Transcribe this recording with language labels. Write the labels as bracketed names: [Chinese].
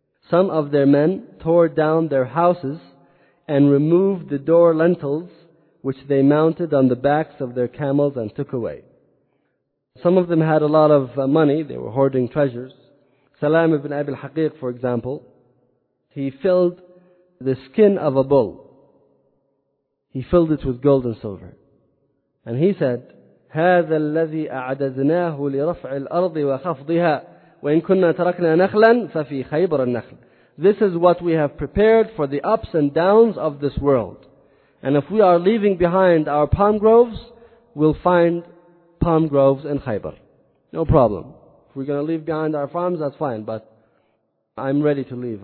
[English] Some of their men tore down their houses and removed the door lintels, which they mounted on the backs of their camels and took away. Some of them had a lot of money, they were hoarding treasures. Salam ibn Abi al-Haqiq, for example, he filled the skin of a bull. He filled it with gold and silver. And he said, [Arabic] هَذَا الَّذِي أَعْدَدْنَاهُ لِرَفْعِ الْأَرْضِ وَخَفْضِهَا وَإِنْ كُنَّا تَرَكْنَا نَخْلًا فَفِي خَيْبَرَ النَّخْلِ. [English] This is what we have prepared for the ups and downs of this world. And if we are leaving behind our palm groves, we'll find palm groves in Khaybar. No problem. If we're going to leave behind our farms, that's fine. But I'm ready to leave.